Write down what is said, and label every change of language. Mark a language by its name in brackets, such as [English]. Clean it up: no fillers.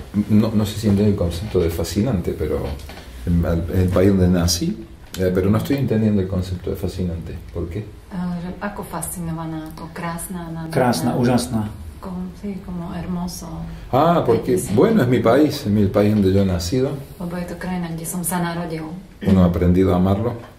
[Spanish] No sé si entiendo el concepto de fascinante, pero el país donde nací, pero no estoy entendiendo el concepto de fascinante. ¿Por qué? [Slovak] Ako fascinovaná, ako krásna, krásna, úžasná. [Spanish] Como, sí, como hermoso. Ah, porque, bueno, es mi país, el país donde yo he nacido. Uno ha aprendido a amarlo.